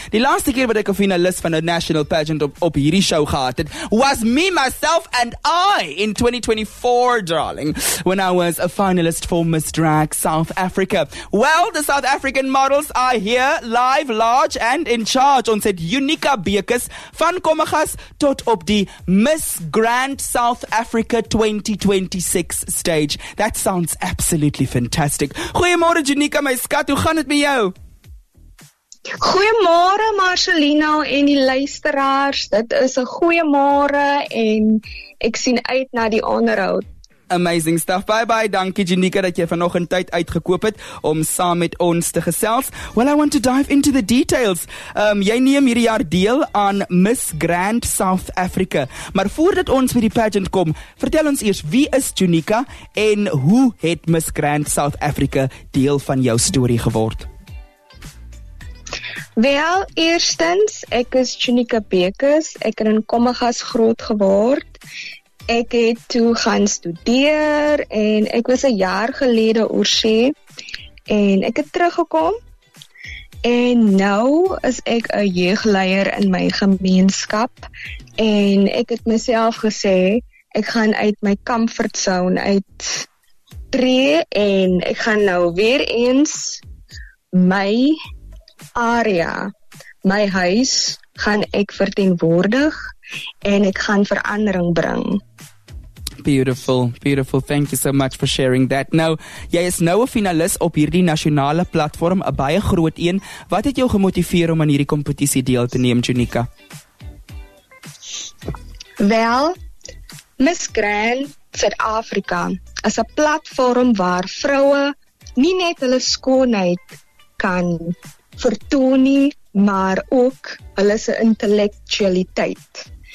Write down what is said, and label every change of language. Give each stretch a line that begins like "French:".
Afrikaans: Die laatste keer wat ek een finalist van een national pageant op hierdie show gehad het, was
English: me, myself and I in 2024, darling, when I was a finalist for Miss Drag South Africa. Well, the South African models are here, live, large and in charge.
Afrikaans: Ons het Unika Bekes, van Kommagas tot op die Miss Grand South Africa 2026 stage.
English: That sounds absolutely fantastic.
Afrikaans: Goeiemorgen, Unika, my skat, hoe gaan het met jou? Goeiemorgen, Marcelino en die luisteraars. Dit is een goeiemorgen en ek sien uit na die onderhoud.
English: Amazing stuff. Bye-bye.
Afrikaans: Dankie, Unika, dat jy vanochtend tyd uitgekoop het om saam met ons te gesels.
English: Well, I want to dive into the details.
Afrikaans: Jy neem hierdie jaar deel aan Miss Grand South Africa. Maar voordat ons met die pageant kom, vertel ons eers, wie is Unika en hoe het Miss Grand South Africa deel van jou story geword? Wel, eerstens, ek is Unika Bekes. Ek het in Kommagas groot geword. Ek het toe gaan studeer en ek was 'n jaar gelede oor see en ek het teruggekom en nou is ek 'n jeugleier in my gemeenskap en ek het myself gesê ek gaan uit my comfort zone uit tree en ek gaan nou weer eens my area, my huis gaan ek verteenwoordig en ek gaan verandering bring.
English: Beautiful, beautiful. Thank you so much for sharing that.
Afrikaans: Nou, jy is nou 'n finalis op hierdie nasionale platform, 'n baie groot een. Wat het jou gemotiveer om aan hierdie kompetisie deel te neem, Unika? Wel, Miss Grand Suid-Afrika is 'n platform waar vroue nie net hulle skoonheid kan vertoon nie, maar ook hulle se intellektualiteit.